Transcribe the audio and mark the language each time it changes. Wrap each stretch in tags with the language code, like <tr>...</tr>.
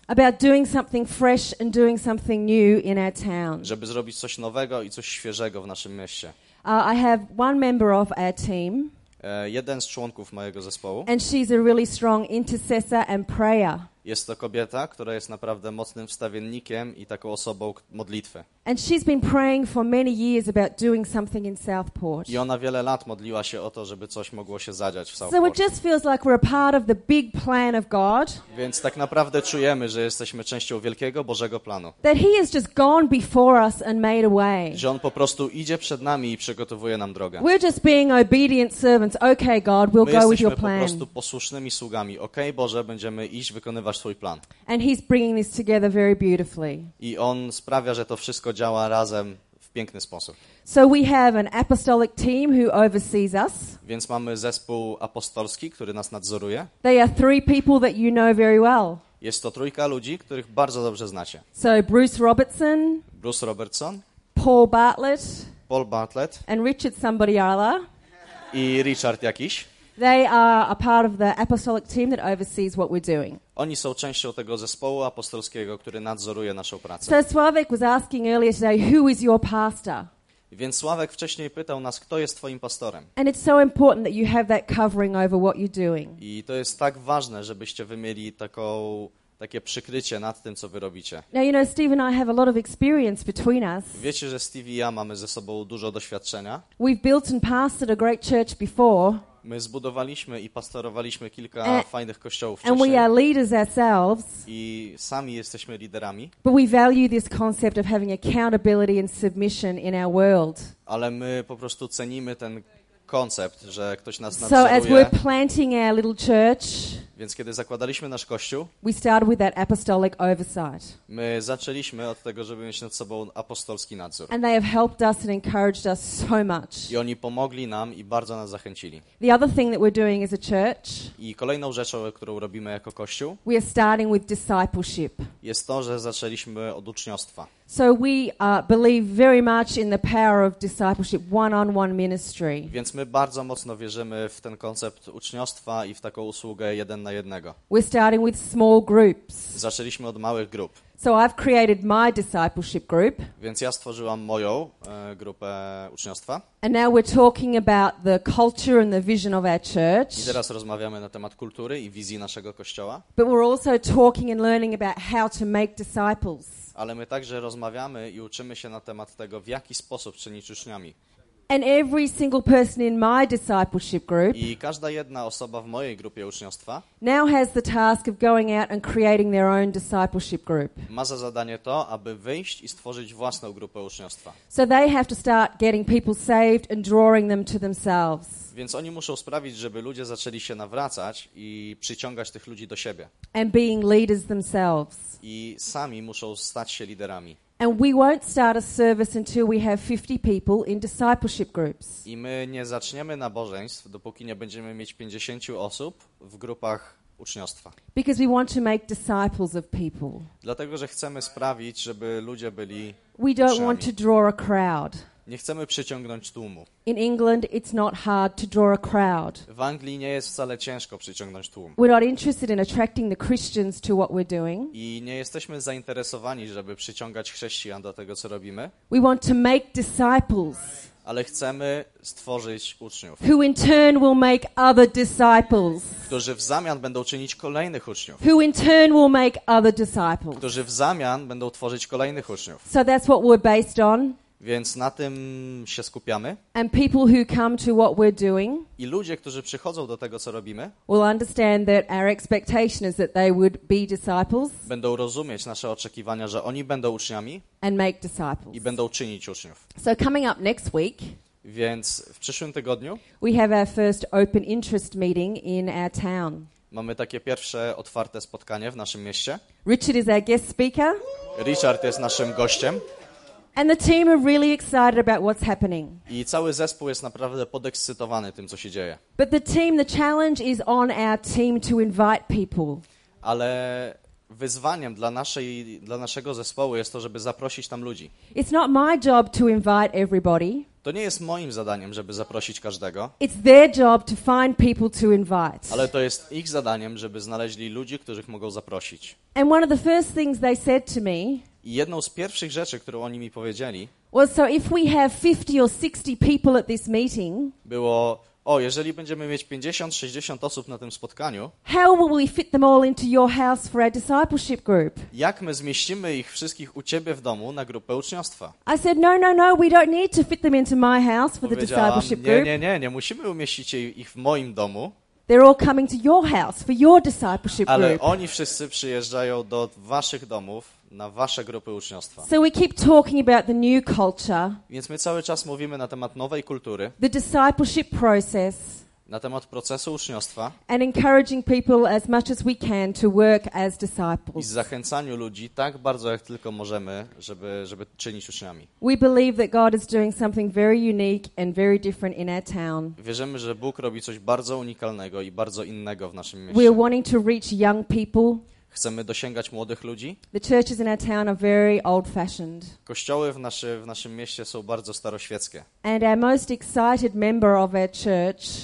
<en>About doing something fresh and doing something new in our town.</en> <pl>Żeby zrobić coś nowego i coś świeżego w naszym mieście.</pl> <en>I have one member of our team.</en> <pl>Jeden z członków mojego zespołu.</pl> <en>And she's a really strong intercessor and prayer.</en> <pl>Jest to kobieta, która jest naprawdę mocnym wstawiennikiem i taką osobą modlitwy.</pl> <en>And she's been praying for many years about doing something in Southport.</en> <pl>I ona wiele lat modliła się o to, żeby coś mogło się zadziać w</pl> <en>Southport. So it just feels like we're a part of the big plan of God.</en> <pl>Więc tak naprawdę czujemy, że jesteśmy częścią wielkiego Bożego planu.</pl> <en>That he has just gone before us and made a way.</en> <pl>Że on po prostu idzie przed nami i przygotowuje nam drogę.</pl> <en>We're just being obedient servants. Okay, God, we'll go with your plan.</en> <pl>My jesteśmy po prostu posłusznymi sługami. Okej, Boże, będziemy iść wykonywać swój plan.</pl> <en>And he's bringing this together very beautifully.</en> <pl>I on sprawia, że to wszystko działa razem w piękny sposób.</pl> <en>So we have an apostolic team who oversees us.</en> <pl>Więc mamy zespół apostolski, który nas nadzoruje.</pl> <en>They are three people that you know very well.</en> <pl>Jest to trójka ludzi, których bardzo dobrze znacie.</pl> <en>So Bruce Robertson.</en> <pl>Bruce Robertson.</pl> <en>Paul Bartlett.</en> <pl>Paul Bartlett.</pl> <en>And Richard somebody other.</en> <pl>I Richard jakiś.</pl> <en>They are a part of the apostolic team that oversees what we're doing.</en> <pl>Oni są częścią tego zespołu apostolskiego, który nadzoruje naszą pracę.</pl> <en>So Sławek was asking earlier today, who is your pastor?</en> <pl>Więc Sławek wcześniej pytał nas, kto jest twoim pastorem.</pl> <en>And it's so important that you have that covering over what you're doing.</en> <pl>I to jest tak ważne, żebyście wy mieli takie przykrycie nad tym, co wy robicie.</pl> <en>Now you know, Steve and I have a lot of experience between us.</en> <pl>Wiecie, że Steve i ja mamy ze sobą dużo doświadczenia.</pl> <en>We've built and pastored a great church before.</en> <pl>My zbudowaliśmy i pastorowaliśmy kilka fajnych kościołów wcześniej.</pl> <en>And we are leaders ourselves.</en> <pl>I sami jesteśmy liderami.</pl> <en>But we value this concept of having accountability and submission in our world.</en> <pl>Ale my po prostu cenimy ten koncept, że ktoś nas nadzoruje.</pl> <en>So as we're planting our little church,</en> <pl>więc kiedy zakładaliśmy nasz kościół,</pl> <en>we started with that apostolic oversight.</en> <pl>My zaczęliśmy od tego, żeby mieć nad sobą apostolski nadzór.</pl> <en>And they have helped us and encouraged us so much.</en> <pl>I oni pomogli nam i bardzo nas zachęcili.</pl> <en>The other thing that we're doing as a church,</en> <pl>i kolejną rzeczą, którą robimy jako kościół,</pl> <en>we are starting with discipleship.</en> <pl>Jest to, że zaczęliśmy od uczniostwa.</pl> <en>So we believe very much in the power of discipleship, one-on-one ministry.</en> <pl>Więc my bardzo mocno wierzymy w ten koncept uczniostwa i w taką usługę jeden na jednego.</pl> <en>We're starting with small groups.</en> <pl>Zaczęliśmy od małych grup.</pl> <en>So I've created my discipleship group.</en> <pl>Więc ja stworzyłam moją grupę uczniostwa.</pl> <en>And now we're talking about the culture and the vision of our church.</en> <pl>I teraz rozmawiamy na temat kultury i wizji naszego kościoła.</pl> <en>But we're also talking and learning about how to make disciples.</en> <pl>Ale my także rozmawiamy i uczymy się na temat tego, w jaki sposób czynić uczniami.</pl> <en>And every single person in my discipleship group,</en> <pl>i każda jedna osoba w mojej grupie uczniostwa,</pl> <en>now has the task of going out and creating their own discipleship group.</en> <pl>Ma za zadanie to, aby wyjść i stworzyć własną grupę uczniostwa.</pl> <en>So they have to start getting people saved and drawing them to themselves.</en> <pl>Więc oni muszą sprawić, żeby ludzie zaczęli się nawracać i przyciągać tych ludzi do siebie.</pl> <en>And being leaders themselves.</en> <pl>I sami muszą stać się liderami.</pl> <en>And we won't start a service until we have 50 people in discipleship groups.</en> <pl>I my nie zaczniemy nabożeństw, dopóki nie będziemy mieć 50 osób w grupach uczniostwa.</pl> <en>Because we want to make disciples of people.</en> <pl>Dlatego, że chcemy sprawić, żeby ludzie byli uczniami.</pl> <en>We don't want to draw a crowd.</en> <pl>Nie chcemy przyciągnąć tłumu.</pl> <en>In England it's not hard to draw a crowd.</en> <pl>W Anglii nie jest wcale ciężko przyciągnąć tłum.</pl> <en>We're not interested in attracting the Christians to what we're doing.</en> <pl>I nie jesteśmy zainteresowani, żeby przyciągać chrześcijan do tego, co robimy.</pl> <en>We want to make disciples.</en> <pl>Ale chcemy stworzyć uczniów.</pl> <en>Who in turn will make other disciples.</en> <pl>Którzy w zamian będą czynić kolejnych uczniów.</pl> <en>Who in turn will make other disciples.</en> <pl>Którzy w zamian będą tworzyć kolejnych uczniów.</pl> <en>So that's what we're based on.</en> <pl>Więc na tym się skupiamy.</pl> <en>And people who come to what we're doing,</en> <pl>i ludzie, którzy przychodzą do tego, co robimy,</pl> <en>will understand that our expectation is that they would be disciples,</en> <pl>będą rozumieć nasze oczekiwania, że oni będą uczniami,</pl> <en>and make disciples,</en> <pl>i będą czynić uczniów.</pl> <en>So coming up next week,</en> <pl>więc w przyszłym tygodniu,</pl> <en>we have our first open interest meeting in our town.</en> <pl>Mamy takie pierwsze otwarte spotkanie w naszym mieście.</pl> <en>Richard is our guest speaker.</en> <pl>Richard jest naszym gościem.</pl> <en>And the team are really excited about what's happening.</en> <pl>I cały zespół jest naprawdę podekscytowany tym, co się dzieje.</pl> <en>But the challenge is on our team to invite people.</en> <pl>Ale wyzwaniem dla naszego zespołu jest to, żeby zaprosić tam ludzi.</pl> <en>It's not my job to invite everybody.</en> <pl>To nie jest moim zadaniem, żeby zaprosić każdego.</pl> <en>It's their job to find people to invite.</en> <pl>Ale to jest ich zadaniem, żeby znaleźli ludzi, których mogą zaprosić.</pl> <en>And one of the first things they said to me,</en> <pl>i jedną z pierwszych rzeczy, którą oni mi powiedzieli,</pl> <en>well, so if we have 50 or 60 people at this meeting,</en> <pl>było, O, jeżeli będziemy mieć 50-60 osób na tym spotkaniu,</pl> <en>how will we fit them all into your house for our discipleship group?</en> <pl>Jak my zmieścimy ich wszystkich u ciebie w domu na grupę uczniostwa?</pl> <en>I said no, we don't need to fit them into my house for the discipleship group.</en> <pl>Nie, musimy umieścić ich w moim domu.</pl> <en>They're all coming to your house for your discipleship group.</en> <pl>Ale oni wszyscy przyjeżdżają do waszych domów na wasze grupy uczniostwa.</pl> <en>So we keep talking about the new culture.</en> <pl>Więc my cały czas mówimy na temat nowej kultury.</pl> <en>The discipleship process.</en> <pl>Na temat procesu uczniostwa.</pl> <en>And encouraging people as much as we can to work as disciples.</en> <pl>I zachęcaniu ludzi tak bardzo jak tylko możemy, żeby czynić uczniami.</pl> <en>We believe that God is doing something very unique and very different in our town.</en> <pl>Wierzymy, że Bóg robi coś bardzo unikalnego i bardzo innego w naszym mieście.</pl> <en>We are wanting to reach young people.</en> <pl>Chcemy dosięgać młodych ludzi.</pl> <en>The churches in our town are very old-fashioned.</en> <pl>Kościoły w naszym mieście są bardzo staroświeckie.</pl> <en>And our most excited member of our church.</en>